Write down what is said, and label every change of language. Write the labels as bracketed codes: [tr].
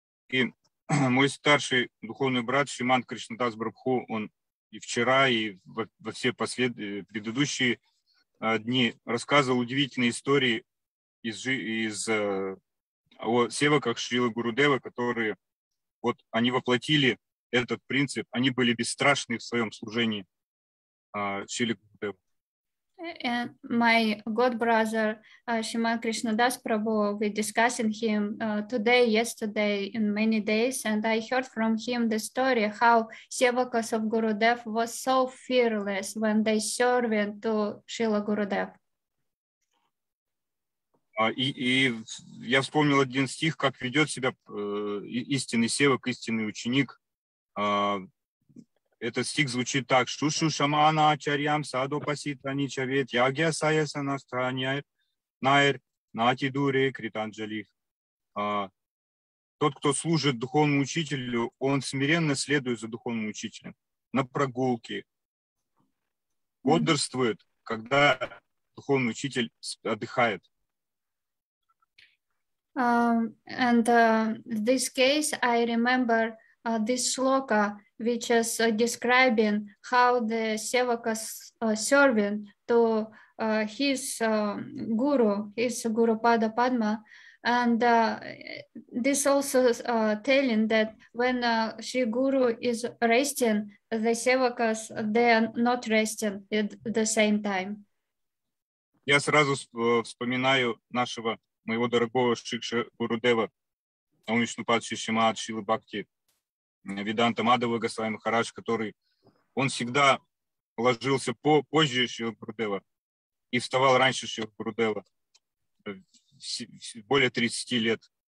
[ru] И мой старший духовный брат Шриман Кришнадас Брабху, он и вчера, и во все предыдущие дни рассказывал удивительные истории из о севаках Шрилы Гурудева, которые вот они воплотили этот принцип, они были бесстрашны в своем служении Шрилы Гурудева. [en] And my god brother Shriman Krishnadas Prabhu, we discussing him today, yesterday, in many days, and I heard from him the story how sevakas of Gurudev was so fearless when they serving to Srila Gurudev. [ru] И я вспомнил один стих, как ведет себя истинный севак, истинный ученик. Этот стих звучит так: [sa] Шушу шамана ачарьям садо пасита ничавет ягья саяса настраняйр наир нати дуре кританджалих. [ru] Тот, кто служит духовному учителю, он смиренно следует за духовным учителем на прогулке, бодрствует, когда духовный учитель отдыхает. [en] This case, I remember this shloka, which is describing how the sevakas serving to his guru, his Guru Pada Padma, and this also telling that when Sri Guru is resting, the sevakas, they are not resting at the same time. [ru] Я сразу вспоминаю нашего, моего дорогого Шикша Гурудева, Амишнупад Шишимад Шилы Бхакти, Веданта Мадхава Госвами Махарадж, который, он всегда ложился позже Шрилы Гурудева и вставал раньше Шрилы Гурудева, более 30 лет.